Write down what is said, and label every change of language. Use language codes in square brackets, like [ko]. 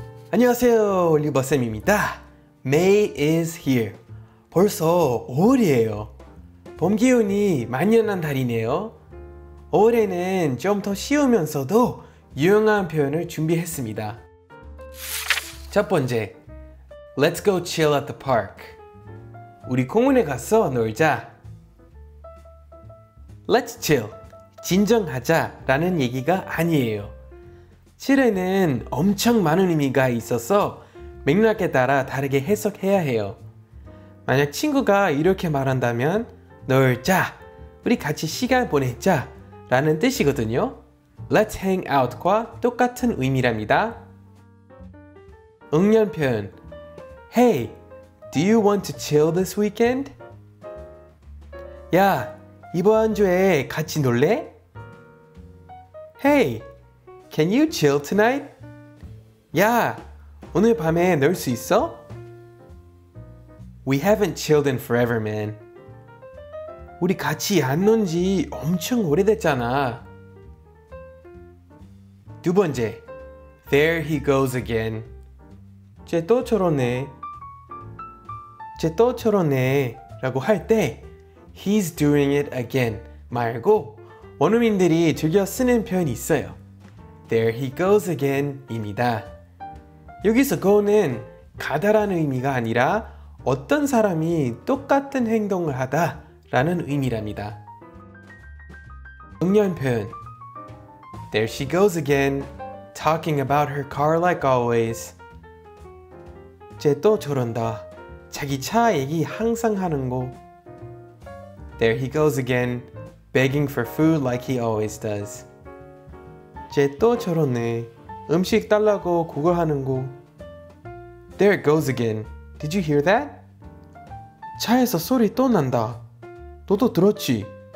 [ko] 안녕하세요, 리버쌤입니다. [en] May is here. [ko] 벌써 5월이에요. 봄 기운이 만연한 달이네요. 5월에는 좀 더 쉬우면서도 유용한 표현을 준비했습니다. [en] 첫 번째, Let's go chill at the park. [ko] 우리 공원에 가서 놀자. [en] Let's chill, [ko] 진정하자 라는 얘기가 아니에요. chill에는 엄청 많은 의미가 있어서 맥락에 따라 다르게 해석해야 해요. 만약 친구가 이렇게 말한다면 놀자, 우리 같이 시간 보내자 라는 뜻이거든요. [en] Let's hang out [ko] 과 똑같은 의미랍니다. 응용 표현 [en] Hey, do you want to chill this weekend? [ko] 야, 이번 주에 같이 놀래? [en] Hey, can you chill tonight? [ko] 야, 오늘 밤에 놀 수 있어? [en] We haven't chilled in forever, man. [ko] 우리 같이 안 논 지 엄청 오래됐잖아. 두 번째, [en] There he goes again. [ko] 쟤 또 저러네. 쟤 또 저러네 라고 할 때 [en] He's doing it again [ko] 말고 원어민들이 즐겨 쓰는 표현이 있어요. [en] There he goes again 입니다. [ko] 여기서 go는 가다라는 의미가 아니라 어떤 사람이 똑같은 행동을 하다 라는 의미랍니다. 응용 표현 [en] There she goes again, talking about her car like always. [ko] 쟤 또 저런다. 자기 차 얘기 항상 하는 거. [en] There he goes again, begging for food like he always does. [ko] 쟤 또 저러네. 음식 달라고 그거 하는 거. [en] There it goes again. Did you hear that? [ko] 차에서 소리 또 난다. 너도 들었지?